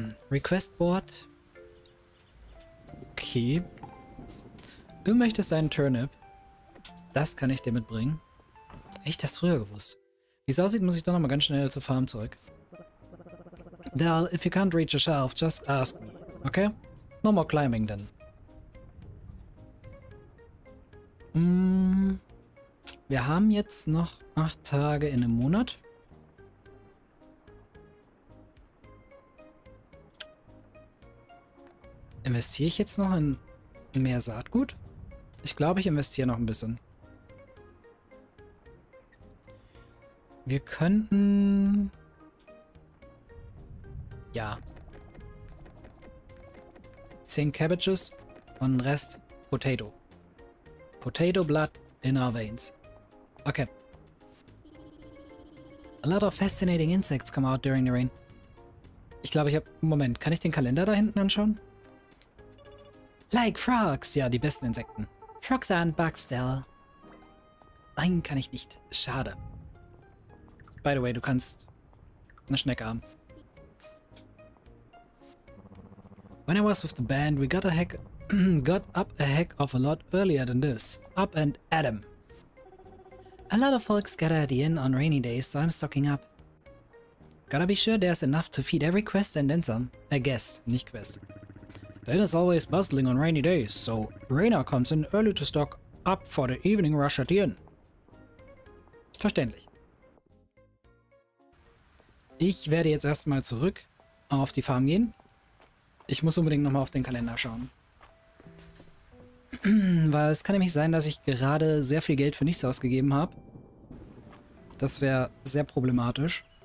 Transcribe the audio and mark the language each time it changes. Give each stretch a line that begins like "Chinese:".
English: Request Board. Okay.
German: Du möchtest deinen Turnip. Das kann ich dir mitbringen. Ich das früher gewusst. Wie es aussieht, muss ich doch nochmal ganz schnell zur Farm zurück.
English: Dal, if you can't reach a shelf, just ask me. Okay? No more climbing then.
German: Wir haben jetzt noch 8 Tage in einem Monat. Investiere ich jetzt noch in mehr Saatgut? Ich glaube, ich investiere noch ein bisschen. Wir könnten... Ja.
English: 10 Cabbages
German: und den Rest
English: Potato. Potato Blood in our veins. Okay. A lot of fascinating insects come out during the rain.
German: Ich glaube, ich habe... Moment, kann ich den Kalender da hinten anschauen?
English: Like frogs.
German: Ja, die besten Insekten.
English: Frogs and bugs, Dell.
German: Nein, kann ich nicht. Schade.
English: By the way,
German: du kannst eine Schnecke haben.
English: When I was with the band, we got up a heck of a lot earlier than this. Up and at 'em. A lot of folks gather at the inn on rainy days, so I'm stocking up. Gotta be sure there's enough to feed every quest and then some.
German: Nicht Quest.
English: The inn is always bustling on rainy days, so Rainer comes in early to stock up for the evening rush at the inn.
German: Verständlich. Ich werde jetzt erstmal zurück auf die Farm gehen. Ich muss unbedingt nochmal auf den Kalender schauen. Weil es kann nämlich sein, dass ich gerade sehr viel Geld für nichts ausgegeben habe. Das wäre sehr problematisch.